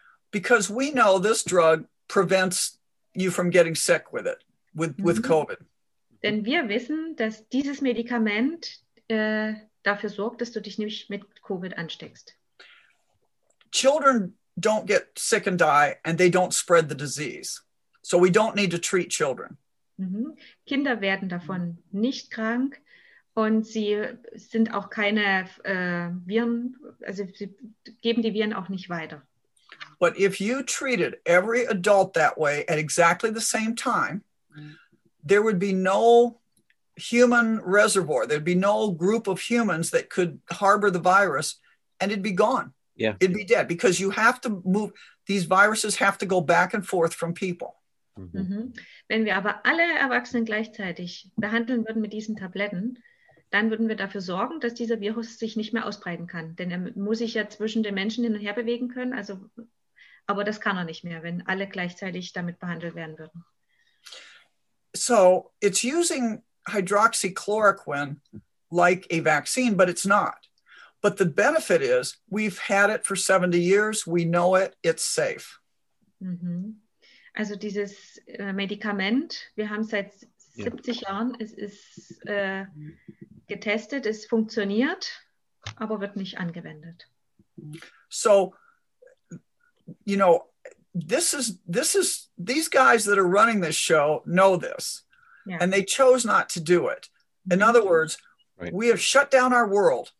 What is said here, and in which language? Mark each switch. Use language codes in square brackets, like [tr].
[en] Because we know this drug prevents you from getting sick with it, with COVID. [de] Denn wir wissen, dass dieses Medikament dafür sorgt, dass du dich nicht mit COVID ansteckst. [en] Children don't get sick and die and they don't spread the disease. So we don't need to treat children. Mm-hmm. [de] Kinder werden davon nicht krank und sie sind auch keine Viren, also sie geben die Viren auch nicht weiter. [en] But if you treated every adult that way at exactly the same time, there would be no human reservoir. There'd be no group of humans that could harbor the virus and it'd be gone. Yeah. It'd be dead because you have to move, these viruses have to go back and forth from people. Mm-hmm. [de] Wenn wir aber alle Erwachsenen gleichzeitig behandeln würden mit diesen Tabletten, dann würden wir dafür sorgen, dass dieser Virus sich nicht mehr ausbreiten kann. Denn er muss sich ja zwischen den Menschen hin und her bewegen können. Also, aber das kann er nicht mehr, wenn alle gleichzeitig damit behandelt werden würden. [en] So, it's using hydroxychloroquine like a vaccine, but it's not. But the benefit is, we've had it for 70 years, we know it, it's safe. Mm-hmm. [de] Also dieses Medikament, wir haben seit 70 Jahren, es ist getestet, es funktioniert, aber wird nicht angewendet. [en] So, you know, this is these guys that are running this show know this, yeah. And they chose not to do it. In other words, right. We have shut down our world.